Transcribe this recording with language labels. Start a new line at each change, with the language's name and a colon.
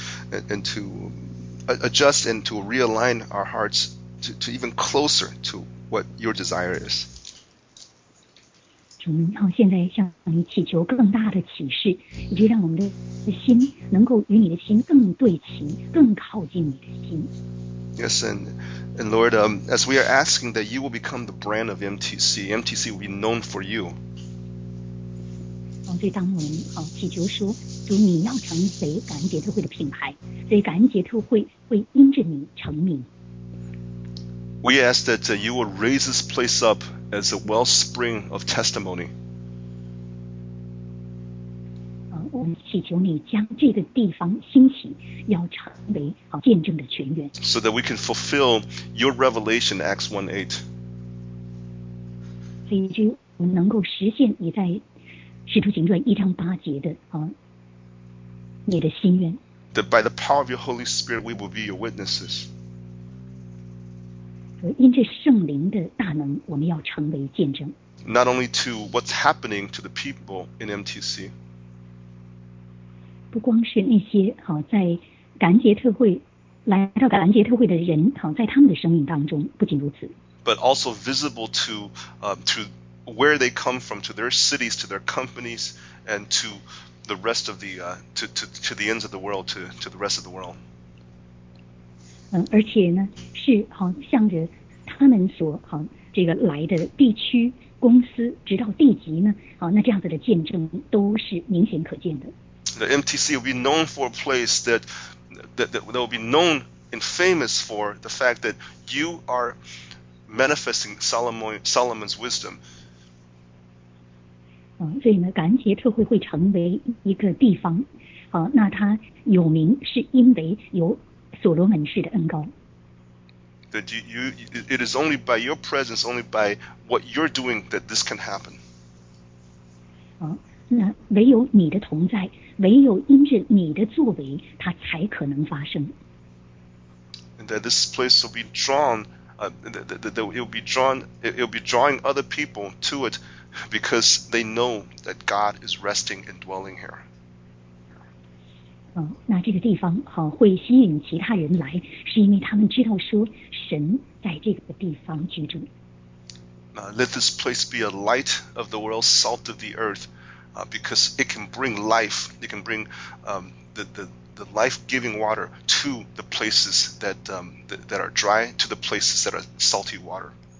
English: And to adjust and to realign our hearts to even closer to what your desire is.
Chinese: 主，现在向你祈求更大的启示，以及让我们的心能够与你的心更对齐，更靠近你的心。
English: Yes, and Lord, as we are asking that you will become the brand of MTC, MTC will be known for you.
Chinese: 所以当我们祈求说主你要成为感恩节特会的品牌，所以感恩节特会因着你成名。
English: We ask that you will raise this place up as a wellspring of testimony.
Chinese: 我们祈求你将这个地方兴起要成为见证的泉源。
English: So that we can fulfill your revelation Acts 1:8.
Chinese: 所以就我们能够实现你在使徒行传一章八节的你的心愿。
English: That by the power of your Holy Spirit, we will be your witnesses.
Chinese: 因着圣灵的大能，我们要成为见证。
English: Not only to what's happening to the people in MTC.
Chinese: 不光是那些在感恩节特会来到感恩节特会的人在他们的生命当中，不仅如此。
English: But also visible to where they come from, to their cities, to their companies, and to the rest of the, to the ends of the world, to the rest of the world.
Chinese: 而且呢，是向着他们所这个来的地区公司，直到地级呢，那这样子的见证都是明显可见的。
English: The MTC will be known for a place that will be known and famous for the fact that you are manifesting Solomon's wisdom.
Chinese: 所以呢，感恩节特会会成为一个地方，那它有名是因为有所罗门式的恩膏。
English: That you, it is only by your presence, only by what you're doing that this can happen.
Chinese: 那唯有你的同在，唯有因着你的作为，它才可能发生。
English: And that this place will be drawn, it will be drawing other people to it. Because they know that God is resting and dwelling here.
Chinese: 那这个地方会吸引其他人来，是因为他们知道说神在这个地方居住。
English: Let this place be a light of the world, salt of the earth, because it can bring life. It can bring the life-giving water to the places that are dry, to the places that are salty water.